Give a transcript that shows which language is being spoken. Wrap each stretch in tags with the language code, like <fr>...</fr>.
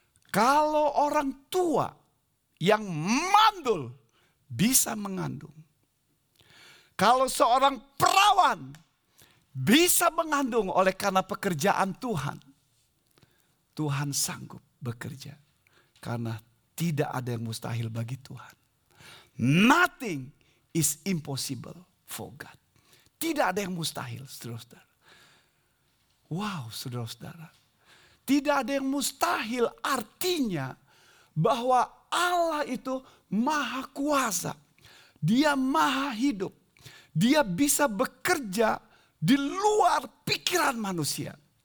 <id>Kalau orang tua yang mandul bisa mengandung. Kalau seorang perawan bisa mengandung oleh karena pekerjaan Tuhan. Tuhan sanggup bekerja. Karena tidak ada yang mustahil bagi Tuhan.</id> <en>Nothing is impossible for God.</en> <id>Tidak ada yang mustahil, saudara-saudara. Wow, saudara-saudara. Tidak ada yang mustahil artinya bahwa Allah itu maha kuasa. Dia maha hidup. Dia bisa bekerja di luar pikiran manusia.</id>